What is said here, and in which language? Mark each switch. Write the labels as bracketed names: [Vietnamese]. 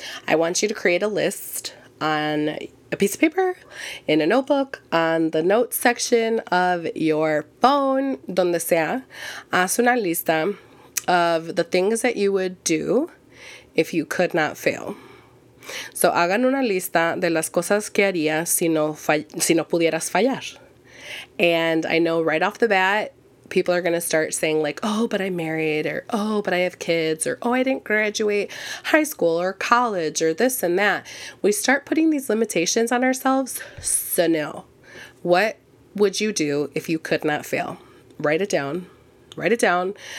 [English] I want you to create a list on a piece of paper, in a notebook, on the notes section of your phone, [Spanish] donde sea. Haz una lista [English] of the things that you would do if you could not fail. [Spanish] So, hagan una lista de las cosas que harías si no pudieras fallar. [English] And I know right off the bat, people are going to start saying like, oh, but I'm married, or oh, but I have kids, or oh, I didn't graduate high school or college or this and that. We start putting these limitations on ourselves. So no, what would you do if you could not fail? Write it down. Write it down.